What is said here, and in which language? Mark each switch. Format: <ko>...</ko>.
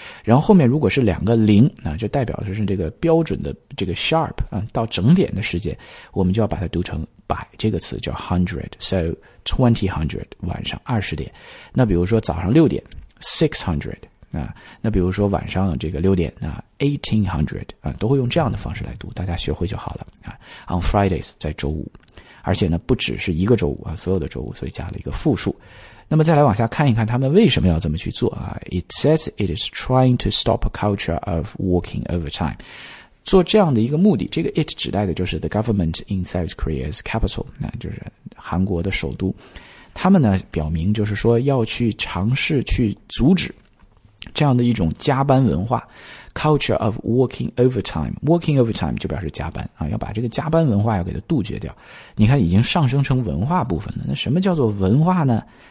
<zh>然后后面如果是两个零啊，就代表的是这个标准的这个 sharp, 啊到整点的时间，我们就要把它读成百，这个词叫 hundred, so 200, 晚上20点。那比如说早上6点 ,600, 啊那比如说晚上这个6点啊 ,1800, 啊都会用这样的方式来读，大家学会就好了啊 ,on Fridays, 在周五。而且呢不只是一个周五啊，所有的周五，所以加了一个复数。那么再来往下看一看他们为什么要这么去做啊 ,</zh> <en>it says it is trying to stop a culture of working overtime。</en> <zh>做这样的一个目的，这个 it 指代的就是</zh> <en>the government in South Korea's capital,</en> <zh>那就是韩国的首都。他们呢表明就是说要去尝试去阻止这样的一种加班文化。</zh> <en>culture of working overtime,</en> <zh>working overtime 就表示加班啊，要把这个加班文化要给它杜绝掉。你看已经上升成文化部分了，那什么叫做文化呢？</zh>